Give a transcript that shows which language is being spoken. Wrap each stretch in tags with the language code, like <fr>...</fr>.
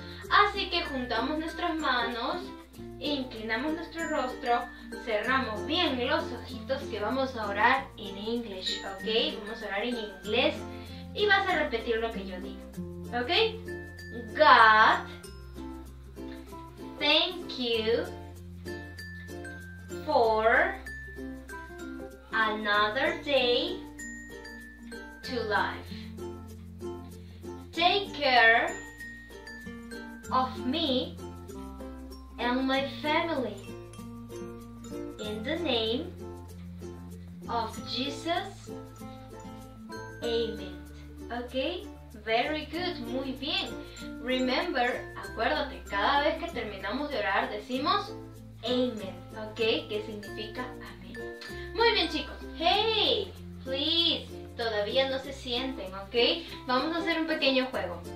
<es>Así que juntamos nuestras manos, inclinamos nuestro rostro, cerramos bien los ojitos que vamos a orar en inglés, ¿ok? Vamos a orar en inglés y vas a repetir lo que yo digo, ¿ok?</es> <en>God, thank you for another day to life. Take care of me and my family in the name of Jesus. Amen. Okay? Very good.</en> <es>Muy bien.</es> <en>Remember,</en> <es>acuérdate, cada vez que terminamos de orar decimos amen.</es> <en>Okay?</en> <es>Que significa amén. Muy bien, chicos.</es> <en>Hey, please.</en> <es>Todavía no se sienten, ¿ok? Vamos a hacer un pequeño juego.</es>